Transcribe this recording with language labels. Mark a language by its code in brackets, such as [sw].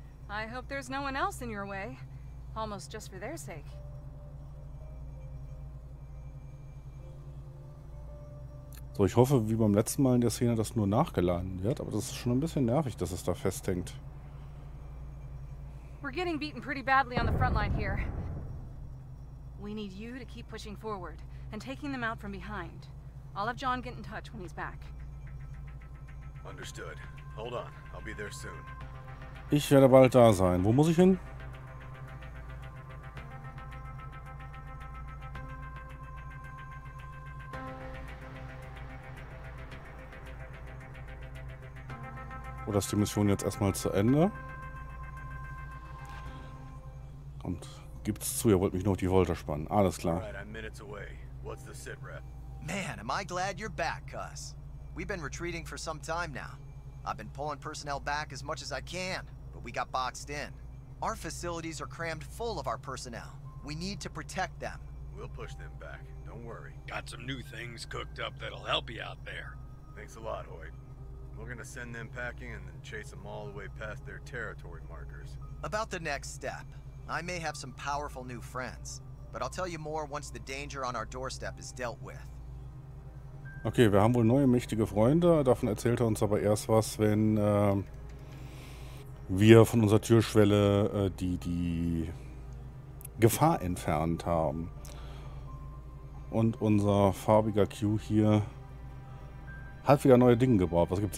[en] I hope there's no one else in your way. Almost just for their sake. [de] So, ich hoffe, wie beim letzten Mal in der Szene, dass nur nachgeladen wird, aber das ist schon ein bisschen nervig, dass es da festhängt. [en] We're getting beaten pretty badly on the front line here. We need you to keep pushing forward. And taking them out from behind. I'll have John get in touch when he's back. Understood. Hold on. I'll be there soon. [de] Ich werde bald da sein. Wo muss ich hin? Oder ist die Mission jetzt erstmal zu Ende? Und gibt's zu, ihr wollt mich noch die Wolter spannen. Alles klar. [en] What's the sit rep? Man, am I glad you're back, Cuss. We've been retreating for some time now. I've been pulling personnel back as much as I can, but we got boxed in. Our facilities are crammed full of our personnel. We need to protect them. We'll push them back. Don't worry. Got some new things cooked up that'll help you out there. Thanks a lot, Hoyt. We're gonna send them packing and then chase them all the way past their territory markers. About the next step, I may have some powerful new friends, but I'll tell you more once the danger on our doorstep is dealt with. [de] Okay, wir haben wohl neue mächtige Freunde. Davon erzählt er uns aber erst was, wenn wir von unserer Türschwelle die Gefahr entfernt haben. Und unser farbiger Q hier hat wieder neue Dinge gebaut. Was gibt's?